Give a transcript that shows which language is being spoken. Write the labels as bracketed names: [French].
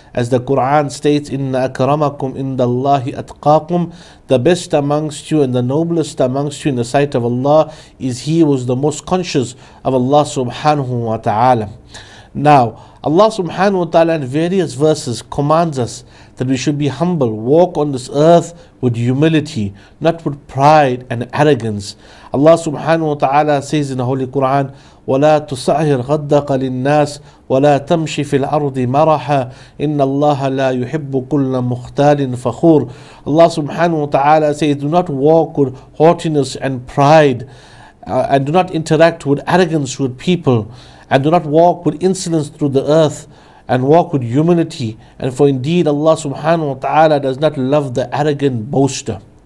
[English] As the Quran states, [Arabic] Inna akramakum inda Allahi atqaakum, [English] the best amongst you and the noblest amongst you in the sight of Allah is he who is the most conscious of Allah subhanahu wa ta'ala. Now, Allah subhanahu wa ta'ala in various verses commands us that we should be humble, walk on this earth with humility, not with pride and arrogance. Allah subhanahu wa ta'ala says in the Holy Quran, [Arabic] وَلَا تُصَعِرْ غَدَّقَ لِلنَّاسِ وَلَا تَمْشِ فِي الْأَرْضِ مَرَحَا إِنَّ اللَّهَ لَا يُحِبُّ كُلَّ مُخْتَالٍ فَخُورٍ. [English] Allah subhanahu wa ta'ala says, do not walk with haughtiness and pride, and do not interact with arrogance with people, and do not walk with insolence through the earth, and walk with humility, and for indeed Allah subhanahu wa ta'ala does not love the arrogant boaster.